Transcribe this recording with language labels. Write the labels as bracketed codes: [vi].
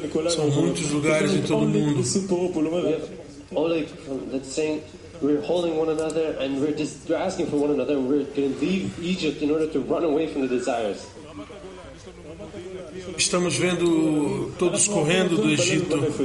[pt] São muitos lugares em todo o mundo. [en] Oleg, that's saying we're holding one another and we're asking for one another and we're going to leave Egypt in order to run away from the desires. [pt] Estamos vendo todos correndo do Egito.